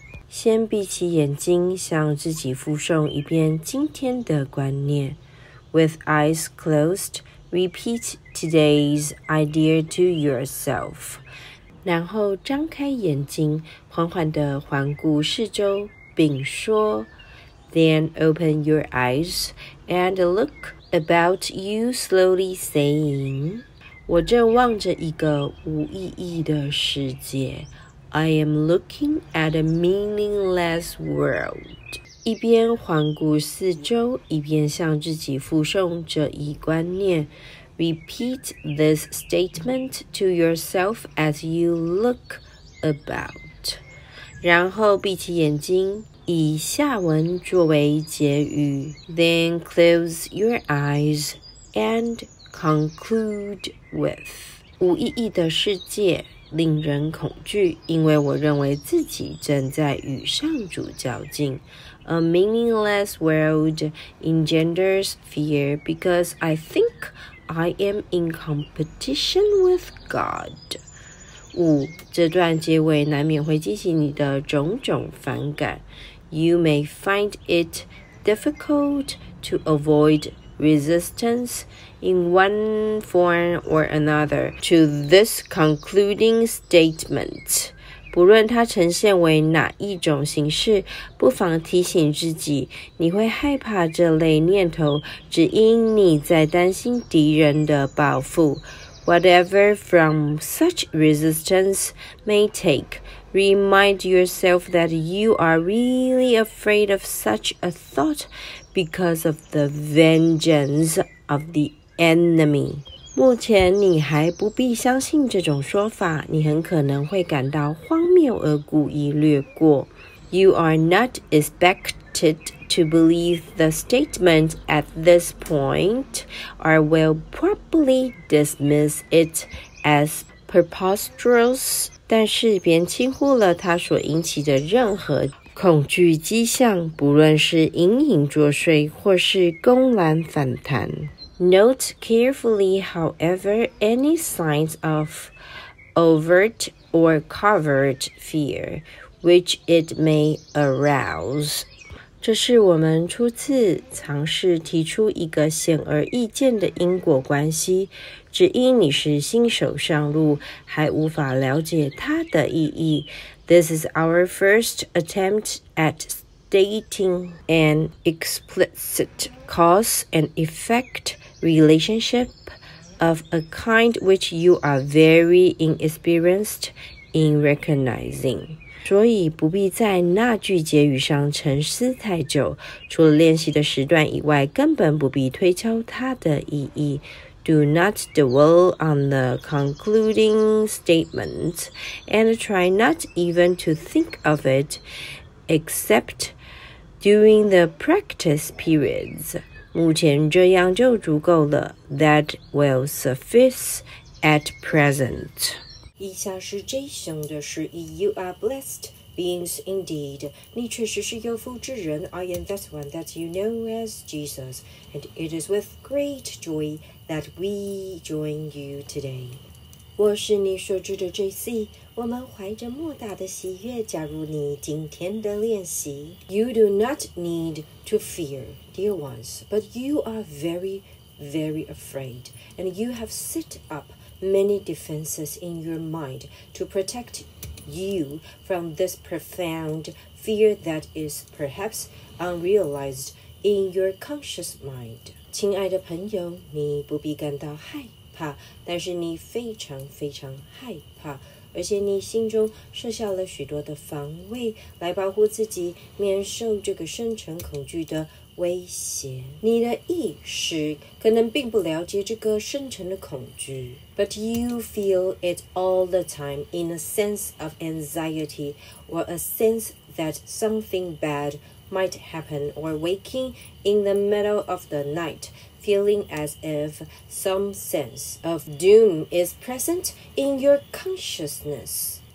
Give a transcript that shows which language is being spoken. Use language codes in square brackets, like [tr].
[zh] 先闭起眼睛，向自己复诵一遍今天的观念。 [en] With eyes closed, repeat today's idea to yourself. [zh] 然后张开眼睛，缓缓地环顾四周，并说 [en] Then open your eyes and look about you slowly saying, [zh] 我正望着一个无意义的世界。 [en] I am looking at a meaningless world. [zh] 一边环顾四周，一边向自己复诵这一观念。 [en] Repeat this statement to yourself as you look about. [zh] 然后闭起眼睛，以下文作为结语。 [en] Then close your eyes and conclude with. [zh] 无意义的世界令人恐惧，因为我认为自己正在与上主较劲。 [en] A meaningless world engenders fear because I think I am in competition with God. [zh] 五，这段结尾难免会激起你的种种反感。 [en] You may find it difficult to avoid resistance. In one form or another to this concluding statement. [zh] 不论它呈现为哪一种形式，不妨提醒自己，你会害怕这类念头，只因你在担心敌人的报复。 [en] Whatever from such resistance may take, remind yourself that you are really afraid of such a thought because of the vengeance of the enemy. [zh] 目前你还不必相信这种说法，你很可能会感到荒谬而故意略过。 [en] You are not expected to believe the statement at this point, or will probably dismiss it as preposterous. [zh] 但是别轻忽了它所引起的任何恐惧迹象，不论是隐隐作祟或是公然反弹。 [en] Note carefully, however, any signs of overt or covert fear, which it may arouse. [zh] 这是我们初次尝试提出一个显而易见的因果关系，只因你是新手上路，还无法了解它的意义。 [en] This is our first attempt at stating an explicit cause and effect. Relationship of a kind which you are very inexperienced in recognizing. [zh] 所以不必在那句结语上沉思太久，除了练习的时段以外，根本不必推敲它的意义。 [en] Do not dwell on the concluding statement, and try not even to think of it except during the practice periods. [zh] 目前这样就足够了。 [en] That will suffice at present. [zh] 以下是 Jason 的诗意。 [en] You are blessed beings indeed. [zh] 你确实是有福之人。 [en] I am that one that you know as Jesus. And it is with great joy that we join you today. [zh] 我是你所知的 JC. 我们怀着莫大的喜悦加入你今天的练习。 [en] You do not need to fear. Dear ones, but you are very, very afraid, and you have set up many defenses in your mind to protect you from this profound fear that is perhaps unrealized in your conscious mind. [zh] 亲爱的朋友，你不必感到害怕，但是你非常非常害怕，而且你心中设下了许多的防卫来保护自己免受这个深沉恐惧的威胁。你的意识可能并不了解这个深沉的恐惧。 [en] But you feel it all the time in a sense of anxiety or a sense that something bad might happen or waking in the middle of the night, feeling as if some sense of doom is present in your consciousness.